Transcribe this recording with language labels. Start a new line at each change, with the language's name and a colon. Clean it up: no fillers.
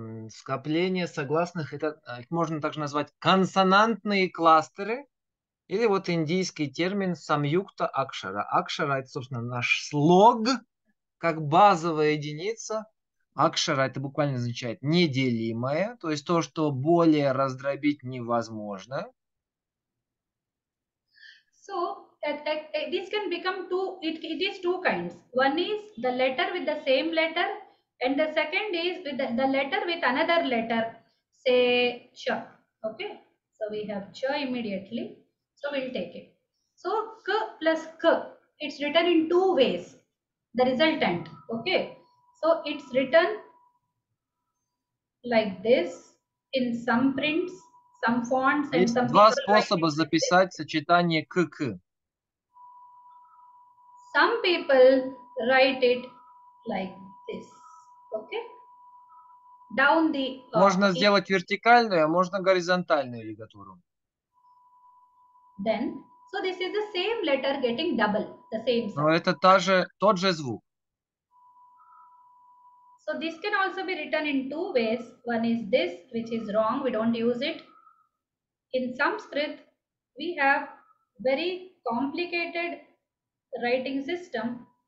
Russian: Скопление согласных, это их можно также назвать консонантные кластеры, или вот индийский термин самьюкта акшара. Акшара – это, собственно, наш слог, как базовая единица. Акшара – это буквально означает неделимое, то есть то, что более раздробить невозможно.
English: So, this can become two, it is two kinds. One is the letter with the same letter, and the second is with the letter with another letter, say ch. Okay, so we have ch immediately, so we'll take it. So k plus k, it's written in two ways, the resultant. Okay, so it's written like this in some prints, some fonts, and some
Russian: два способа записать сочетание к к.
English: Some people write it like this. Okay. Down the,
Russian: можно okay. сделать вертикальную, а можно горизонтальную лигатуру.
English: Then, so this is the same letter getting double, the same sound.
Russian: Но это тот же звук.
English: So this can also be written in two ways. One is this, which is wrong. We don't use it. In Sanskrit, we have very complicated writing system.